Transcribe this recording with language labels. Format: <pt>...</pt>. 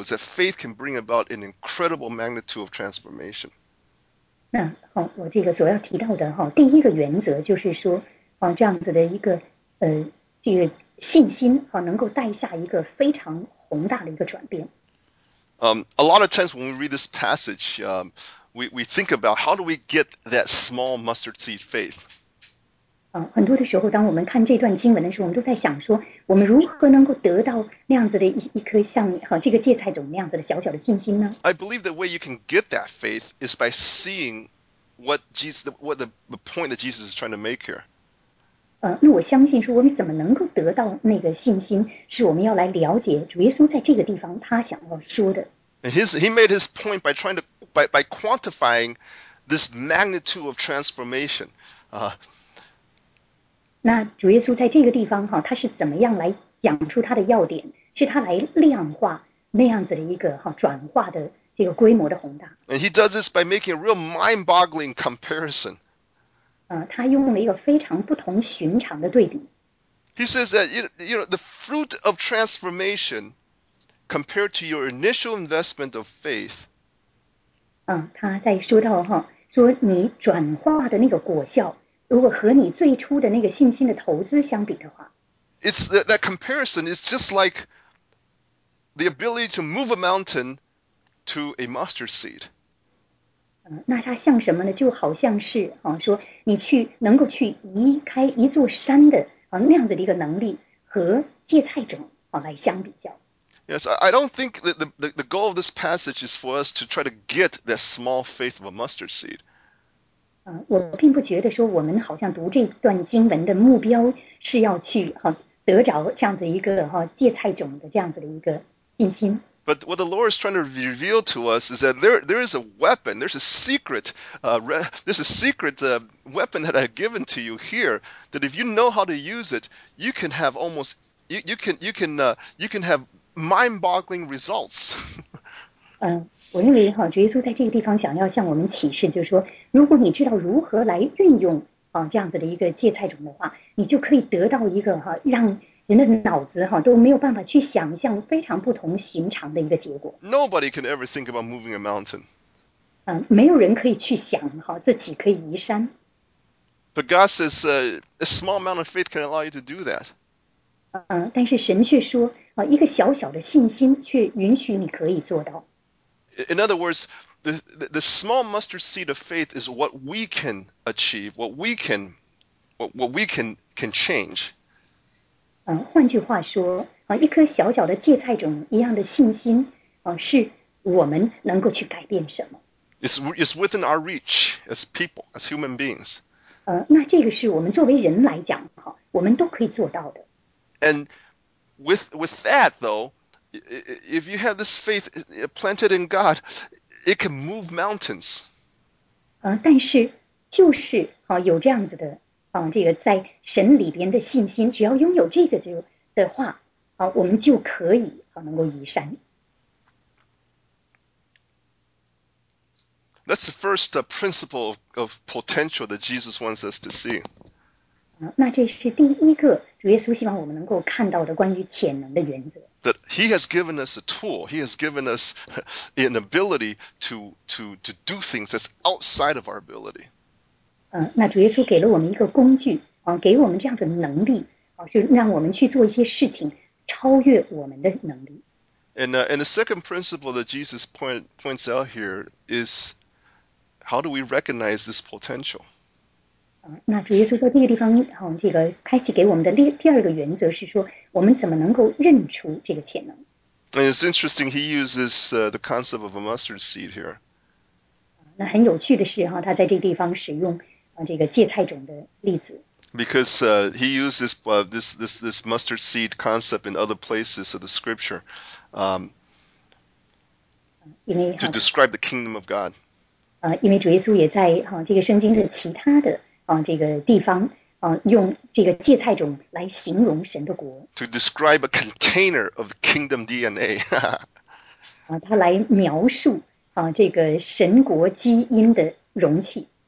<en>Is that faith can bring about an incredible magnitude of transformation.</en> <zh>那好，我这个所要提到的哈，第一个原则就是说，这样子的一个这个信心哈，能够带下一个非常宏大的一个转变。</zh> <en>A lot of times when we read this passage, we think about how do we get that small mustard seed faith.</en> <zh>很多的时候当我们看这段经文的时候我们都在想说我们如何能够得到那样子的 一颗像这个芥菜种那样子的小小的信心呢</zh> <en>I believe the way you can get that faith is by seeing what the point that Jesus is trying to make here.</en> <zh>那我相信说我们怎么能够得到那个信心是我们要来了解主耶稣在这个地方他想要说的。</zh> <en>He made his point by trying to, by quantifying this magnitude of transformation.</en> <zh>那主耶稣在这个地方哈，他是怎么样来讲出他的要点？是他来量化那样子的一个哈转化的这个规模的宏大。</zh> <en>And he does this by making a real mind-boggling comparison.</en> <zh>他用了一个非常不同寻常的对比。</zh> <en>He says that you know the fruit of transformation compared to your initial investment of faith.</en> <zh>他在说到哈，说你转化的那个果效。如果和你最初的那个信心的投资相比的话</zh> <en>，It's that comparison is just like the ability to move a mountain to a mustard seed.</en> <zh>那它像什么呢？就好像是说你去能够去移开一座山的那样子的一个能力和芥菜种来相比较。</zh> <en>Yes, I don't think that the goal of this passage is for us to try to get that small faith of a mustard seed.</en> <zh>我并不觉得说我们好像读这段经文的目标是要去得着这样子一个芥菜种的这样子的一个信心。</zh> <en>But what the Lord is trying to reveal to us is that there is a weapon, there's a secret weapon that I've given to you here. That if you know how to use it, you can have almost you can have mind-boggling results.</en> <zh>我认为主耶稣在这个地方想要向我们启示，就是说，如果你知道如何来运用这样子的一个芥菜种的话，你就可以得到一个让人的脑子都没有办法去想象非常不同寻常的一个结果。</zh> <en>Nobody can ever think about moving a mountain.</en> <zh>没有人可以去想自己可以移山。</zh> <en>But God says a small amount of faith can allow you to do that.</en> <zh>但是神却说一个小小的信心却允许你可以做到。</zh> <en>In other words, the small mustard seed of faith is what we can achieve, what we can change.</en> <zh>换句话说，一颗小小的芥菜种一样的信心，是我们能够去改变什么。</zh> <en>It's within our reach as people, as human beings.</en> <zh>那这个是我们作为人来讲，我们都可以做到的。</zh> <en>And with that though,If you have this faith planted in God, it can move mountains.</en> <zh>但是就是有这样子的这个在神里边的信心，只要拥有这个的话，我们就可以能够移山。</zh> <en>That's the first principle of potential that Jesus wants us to see.</en> <zh>那这是第一个主耶稣希望我们能够看到的关于潜能的原则。</zh> <en>That he has given us a tool, he has given us an ability to do things that's outside of our ability.</en> <zh>那主耶稣给了我们一个工具，给我们这样的能力，是让我们去做一些事情，超越我们的能力。</zh> <en>And the second principle that Jesus points out here is, how do we recognize this potential?</en> <zh>那主耶稣在这个地方，这个开始给我们的第二个原则是说，我们怎么能够认出这个潜能？</zh> <en>And it's interesting, he uses the concept of a mustard seed here.</en> <zh>那很有趣的是，他在这个地方使用这个芥菜种的例子。</zh> <en>Because he uses this mustard seed concept in other places of the scripture to describe the kingdom of God.</en> <zh>因为主耶稣也在这个圣经的其他的这个地方用这个芥菜种来形容神的国。</zh> <en>To describe a container of kingdom DNA.</en> <zh>他来描述这个神国基因的容器。</zh>